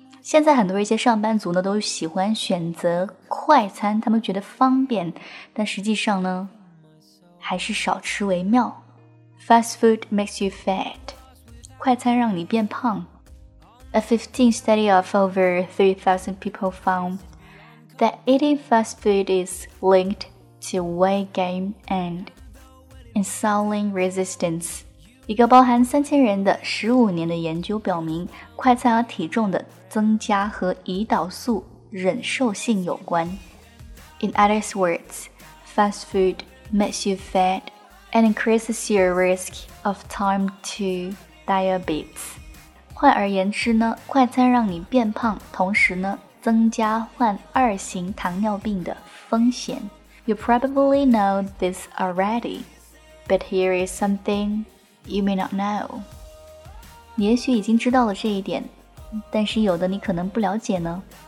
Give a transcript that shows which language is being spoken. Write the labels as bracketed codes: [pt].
[zh] 现在很多一些上班族呢都喜欢选择快餐，他们觉得方便，但实际上呢还是少吃为妙。 [en] Fast food makes you fat， [zh] 快餐让你变胖。 [en] A 15 study of over 3,000 people found that eating fast food is linked to weight gain and insulin resistance。 [zh] 一个包含3000人的15年的研究表明，快餐和体重的增加和胰岛素忍受性有关。 [en] In other words, fast foodmakes you fat and increases your risk of type 2 diabetes. [zh] 换而言之呢，快餐让你变胖，同时呢增加患二型糖尿病的风险。 [en] You probably know this already, but here is something you may not know. [zh] 你也许已经知道了这一点，但是有的你可能不了解呢。